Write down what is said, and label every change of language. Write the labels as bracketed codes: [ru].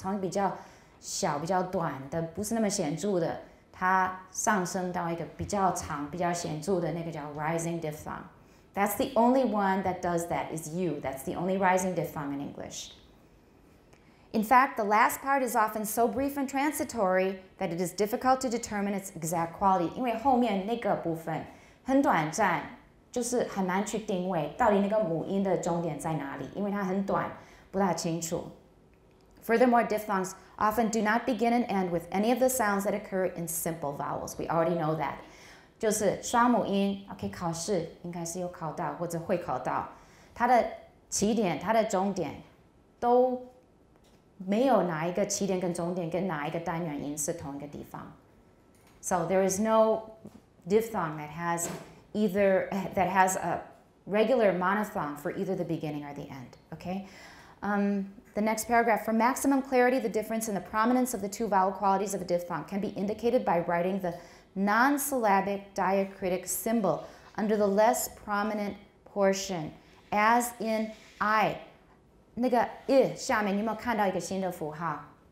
[zh] 从比较小、比较短的，不是那么显著的，它上升到一个比较长、比较显著的那个叫 rising diphthong. [en] That's the only one that does that is you. That's the only rising diphthong in English. In fact, the last part is often so brief and transitory that it is difficult to determine its exact quality. [zh] 因为后面那个部分很短暂。就是很难去定位到底那个母音的终点在哪里因为它很短不大清楚。 [en] Furthermore, diphthongs often do not begin and end with any of the sounds that occur in simple vowels. We already know that. [zh] 就是双母音 ,OK, 考试应该是有考到或者会考到。它的起点它的终点都没有哪一个起点跟终点跟哪一个单元音是同一个地方。 [en] So there is no diphthong that has either, that has a regular monophthong for either the beginning or the end, okay? The next paragraph, for maximum clarity, the difference in the prominence of the two vowel qualities of a diphthong can be indicated by writing the non-syllabic diacritic symbol under the less prominent portion, as in I. [zh] 那个 I 下面你有没有看到一个新的符号？